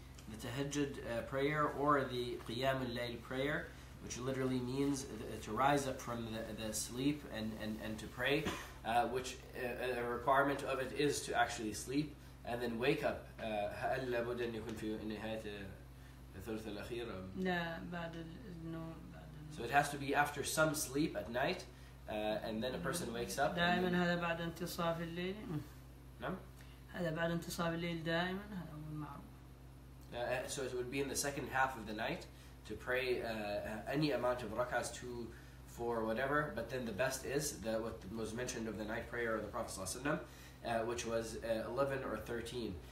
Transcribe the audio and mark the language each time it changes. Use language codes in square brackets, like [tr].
[en] The tahajjud prayer or the qiyam al-layl prayer, which literally means to rise up from the sleep and to pray, which a requirement of it is to actually sleep and then wake up. [ar] هل لابد أن يكون في نهاية الثلث الأخير؟ لا بعد النوم. [en] So it has to be after some sleep at night. And then a person wakes up. [ar] دائما هذا بعد انتصاف الليل. نعم. هذا بعد انتصاف الليل دائما هذا هو المعروف. [en] So it would be in the second half of the night to pray any amount of rak'ahs, 2, 4, whatever. But then the best is what was mentioned of the night prayer of the Prophet صلى الله عليه وسلم, which was 11 or 13.